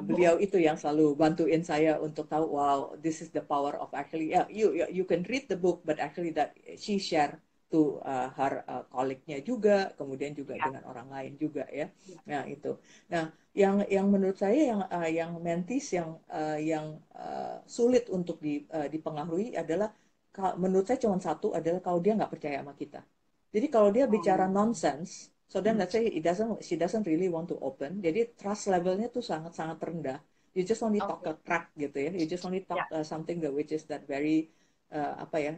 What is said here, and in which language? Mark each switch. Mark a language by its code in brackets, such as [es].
[id] Beliau itu yang selalu bantuin saya untuk tahu [en] wow this is the power of actually yeah, you can read the book but actually that she share to her colleague-nya juga [id] kemudian juga dengan orang lain juga ya. Nah itu. Nah yang menurut saya yang mentis yang sulit untuk dipengaruhi adalah menurut saya cuma satu adalah kalau dia nggak percaya sama kita. Jadi kalau dia bicara nonsense. [en] So then let's say she doesn't really want to open. [id] Jadi trust levelnya tuh sangat sangat rendah. [en] You just only talk a crap gitu ya. You just only talk something that which is that very apa ya?